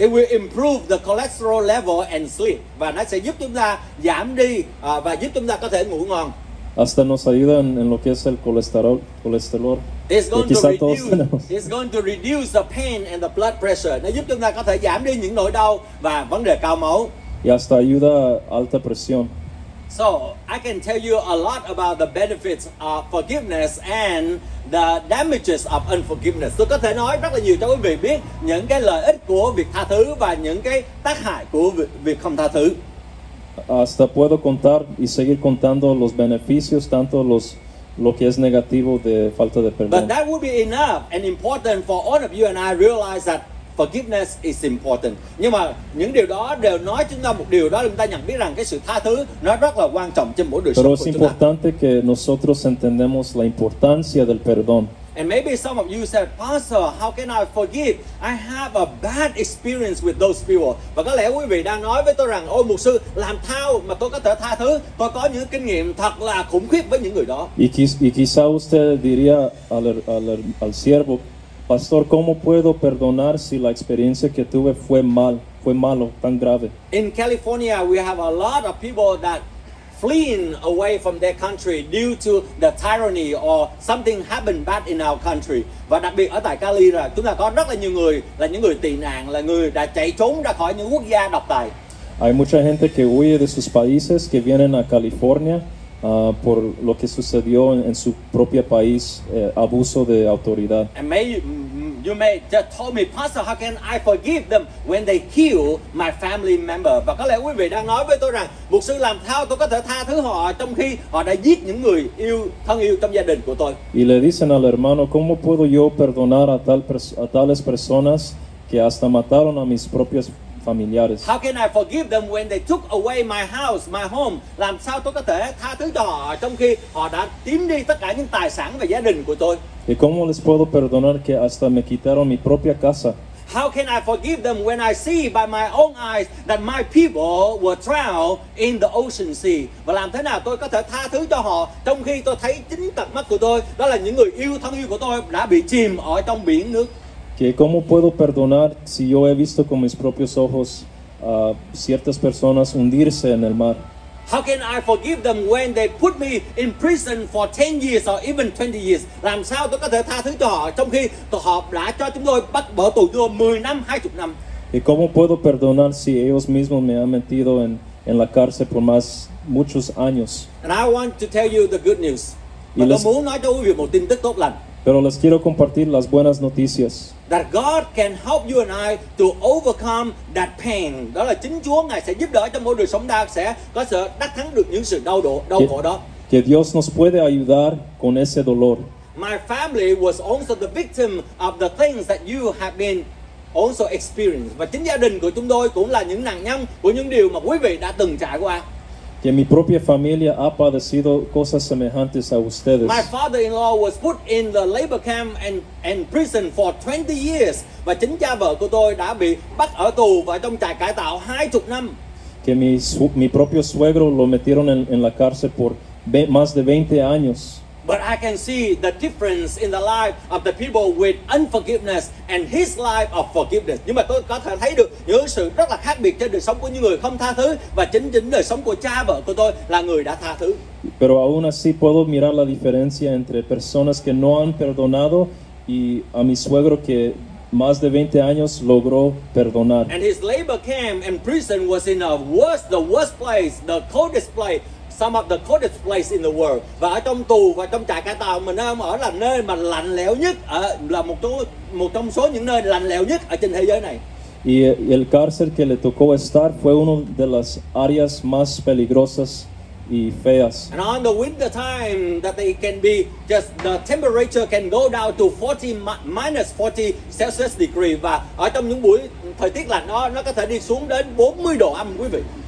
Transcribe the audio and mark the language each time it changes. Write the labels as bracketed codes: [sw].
[en] It will improve the cholesterol level and sleep. [vi] Và nó sẽ giúp chúng ta giảm đi và giúp chúng ta có thể ngủ ngon. [es] Hasta nos ayuda en lo que es el colesterol. [en] It's going to reduce the pain and the blood pressure. [vi] Nó giúp chúng ta có thể giảm đi những nỗi đau và vấn đề cao máu. [es] Y hasta ayuda alta presión. [en] So, I can tell you a lot about the benefits of forgiveness and the damages of unforgiveness. [vi] Tôi có thể nói rất là nhiều cho quý vị biết những cái lợi ích của việc tha thứ và những cái tác hại của việc không tha thứ. [es] Hasta puedo contar y seguir contando los beneficios, tanto lo que es negativo de falta de perdón. [en] But that would be enough and important for all of you and I realize that forgiveness is important. [vi] Nhưng mà những điều đó đều nói chúng ta một điều đó là chúng ta nhận biết rằng cái sự tha thứ nó rất là quan trọng trên mỗi đời [es] Pero [vi] sống của [es] importante [vi] chúng ta. [es] Que nosotros entendemos la importancia del perdón. [en] And maybe some of you said, Pastor, how can I forgive? I have a bad experience with those people. [vi] Và có lẽ quý vị đang nói với tôi rằng, ôi mục sư, làm sao mà tôi có thể tha thứ? Tôi có những kinh nghiệm thật là khủng khiếp với những người đó. [es] Y quizá usted diría al siervo, Pastor, ¿cómo puedo perdonar si la experiencia que tuve fue malo, tan grave? [en] In California, we have a lot of people that fleeing away from their country due to the tyranny or something happened bad in our country. [vi] Và đặc biệt ở tại Cali là chúng ta có rất là nhiều người là những người tị nạn, là người đã chạy trốn ra khỏi những quốc gia độc tài. [es] Hay mucha gente que huye de sus países que vienen a California. Por lo que sucedió en su propio país, abuso de autoridad. [en] And you may just told me, Pastor, how can I forgive them when they kill my family member? [vi] Và có lẽ quý vị đang nói với tôi rằng, mục sư làm sao tôi có thể tha thứ họ trong khi họ đã giết những người yêu thân yêu trong gia đình của tôi? [es] Y le dicen al hermano, ¿cómo puedo yo perdonar a tales personas que hasta mataron a mis propias familiares? [en] How can I forgive them when they took away my house, my home? [vi] Làm sao tôi có thể tha thứ cho họ trong khi họ đã tiếm đi tất cả những tài sản và gia đình của tôi? [es] ¿Y cómo les puedo perdonar que hasta me quitaron mi propia casa? [en] How can I forgive them when I see by my own eyes that my people were drowned in the ocean sea? [vi] Và làm thế nào tôi có thể tha thứ cho họ trong khi tôi thấy chính tận mắt của tôi, đó là những người yêu thân yêu của tôi đã bị chìm ở trong biển nước? [es] Que cómo puedo perdonar si yo he visto con mis propios ojos a ciertas personas hundirse en el mar. [en] How can I forgive them when they put me in prison for 10 years or even 20 years? [vi] Làm sao tôi có thể tha thứ cho họ trong khi họ đã cho chúng tôi bắt bỏ tù cho 10 năm, 20 năm? [es] Y cómo puedo perdonar si ellos mismos me han metido en la cárcel por más muchos años. [en] And I want to tell you the good news. [vi] Y tôi muốn nói cho quý vị một tin tức tốt lành. [es] Pero les quiero compartir las buenas noticias. [en] That God can help you and I to overcome that pain. [vi] Đó là chính Chúa Ngài sẽ giúp đỡ cho mỗi đời sống ta sẽ có sự đắc thắng được những sự đau khổ đó. [es] Que Dios nos puede ayudar con ese dolor. [en] My family was also the victim of the things that you have been also experienced. [vi] Và chính gia đình của chúng tôi cũng là những nạn nhân của những điều mà quý vị đã từng trải qua. [es] Que mi propia familia ha padecido cosas semejantes a ustedes. [en] My father-in-law was put in the labor camp and prison for 20 years. [vi] Và chính cha vợ của tôi đã bị bắt ở tù và trong trại cải tạo 20 năm. [es] Que mi propio suegro lo metieron en la cárcel por más de 20 años. [en] But I can see the difference in the life of the people with unforgiveness and his life of forgiveness. [vi] Nhưng mà tôi có thể thấy được những sự rất là khác biệt trên đời sống của những người không tha thứ và chính chính đời sống của cha vợ của tôi là người đã tha thứ. [es] Pero aún así puedo mirar la diferencia entre personas que no han perdonado y a mi suegro que más de 20 años logró perdonar. [en] And his labor camp and prison was in the worst place, the coldest place. Some of the coldest place in the world. [vi] Và ở trong tù và trong trại cải tạo mình đang ở là nơi mà lạnh lẽo nhất, là một trong số những nơi lạnh lẽo nhất ở trên thế giới này. [es] Y el cárcel que le tocó estar fue uno de las áreas más peligrosas y feas. [en] And on the winter time that they can be just the temperature can go down to -40 Celsius degree. [vi] Và ở trong những buổi thời tiết lạnh đó nó có thể đi xuống đến 40 độ âm, quý vị.